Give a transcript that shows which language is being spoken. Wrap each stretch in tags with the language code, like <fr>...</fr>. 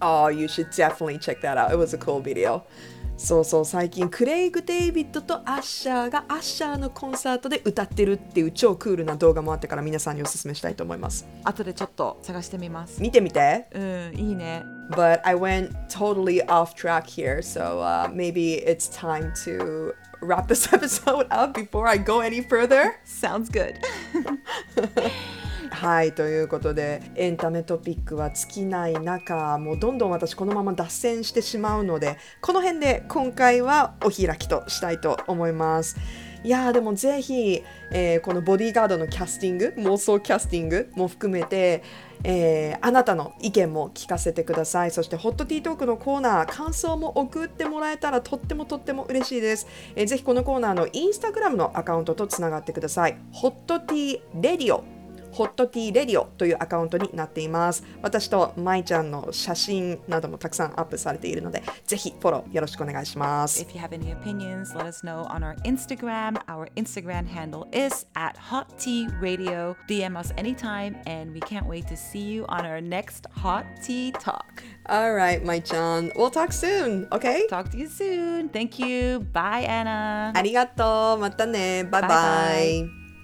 <en>Oh, you should definitely check that out. It was a cool video.</en> <ja>So, so, 最近クレイグ・デイビッドとアッシャーがアッシャーのコンサートで歌ってるっていう超クールな動画もあったから、皆さんにお勧めしたいと思います。後でちょっと探してみます。見てみて。うん、いいね。</ja> <en>But I went totally off track here, so maybe it's time to... wrap this episode up before I go any further. Sounds good.</en> <ja>はい、ということでエンタメトピックは尽きない中、もうどんどん私このまま脱線してしまうので、この辺で今回はお開きとしたいと思います。いやでもぜひ、このボディーガードのキャスティング、妄想キャスティングも含めて、あなたの意見も聞かせてください。そしてホットティートークのコーナー、感想も送ってもらえたらとってもとっても嬉しいです。ぜひこのコーナーのインスタグラムのアカウントとつながってください。ホットティーレディオ、ホットティーレディオというアカウントになっています。私とまいちゃんの写真などもたくさんアップされているので、ぜひフォローよろしくお願いします。</ja> <en>If you have any opinions, let us know on our Instagram. Our Instagram handle is at hot tea radio. DM us anytime and we can't wait to see you on our next hot tea talk. All right, まいちゃん、 We'll talk soon, okay? Talk to you soon. Thank you. Bye, Anna.</en> <ja>ありがとう。またね。バイバイ。</ja>